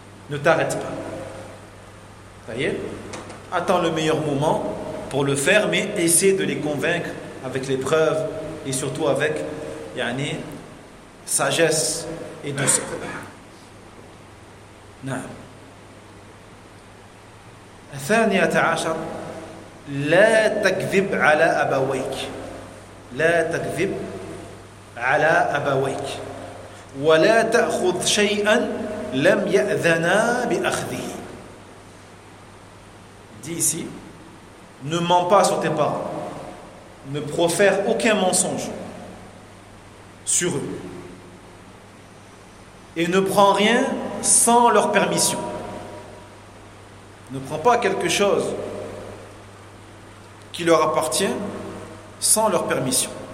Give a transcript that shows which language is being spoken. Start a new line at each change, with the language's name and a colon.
French: Ne t'arrête pas. Ça y est ? Attends le meilleur moment pour le faire, mais essaie de les convaincre avec les preuves et surtout avec yani, sagesse et douceur. Non.
Arabic: الثانية عشر لا تكذب على أبويك لا تكذب على أبويك ولا تأخذ شيئا لم يأذنا بأخذه.
French: Dit ici, ne mens pas sur tes parents, ne profère aucun mensonge sur eux et ne prends rien sans leur permission. Ne prends pas quelque chose qui leur appartient sans leur permission.